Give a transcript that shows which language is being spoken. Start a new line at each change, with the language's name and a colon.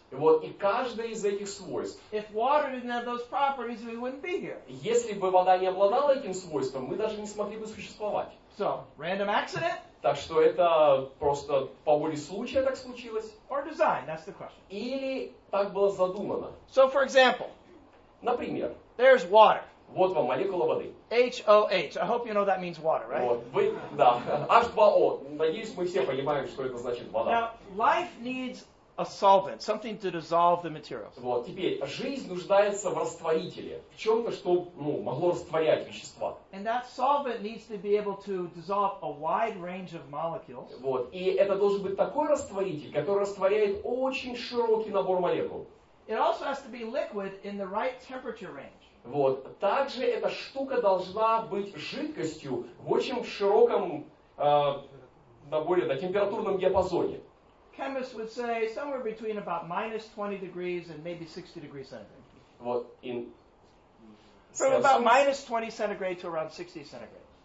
Russian: вот, и каждое из этих свойств.
English: If water didn't have those properties, we wouldn't be here.
Russian: Если бы вода не обладала этим свойством, мы даже не смогли бы существовать.
English: So, random accident?
Russian: Так что это просто по воле случая так случилось.
English: Or design, that's the question.
Russian: Или так было задумано.
English: So, for example,
Russian: например,
English: there's water.
Russian: Вот вам молекула воды.
English: H-O-H. I hope you know that means water, right?
Russian: Вот, вы, да. H2O. Надеюсь, мы все понимаем, что это значит вода.
English: Now, life needs a solvent, something to dissolve the materials.
Russian: Вот, теперь, жизнь нуждается в растворителе, в чем-то, что, ну, могло растворять вещества.
English: And that solvent needs to be able to dissolve a wide range of molecules.
Russian: Вот, и это должен быть такой растворитель, который растворяет очень широкий набор молекул.
English: It also has to be liquid in the right temperature range.
Russian: Вот. Также эта штука должна быть жидкостью в очень широком, на температурном диапазоне.
English: Chemists would say somewhere between about minus 20 degrees and maybe 60 degrees centigrade.
Russian: Вот.
English: From about minus 20 centigrade to around 60 centigrade.